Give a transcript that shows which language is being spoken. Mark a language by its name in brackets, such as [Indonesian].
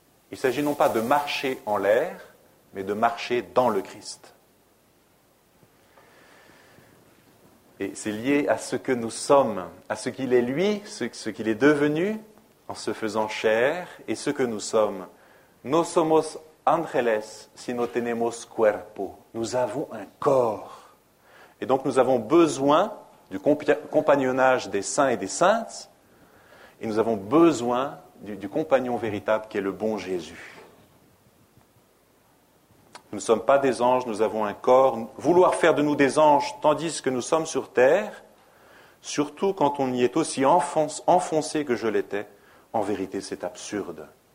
[French] Il s'agit non pas de marcher en l'air, mais de marcher dans le Christ. Et c'est lié à ce que nous sommes, à ce qu'il est lui, ce qu'il est devenu en se faisant chair, et ce que nous sommes. [Spanish] Nos somos ángeles, sino tenemos cuerpo. [French] Nous avons un corps. Et donc nous avons besoin du compagnonnage des saints et des saintes, et nous avons besoin du compagnon véritable qui est le bon Jésus. Nous ne sommes pas des anges, nous avons un corps. Vouloir faire de nous des anges tandis que nous sommes sur terre, surtout quand on y est aussi enfoncé que je l'étais, en vérité c'est absurde.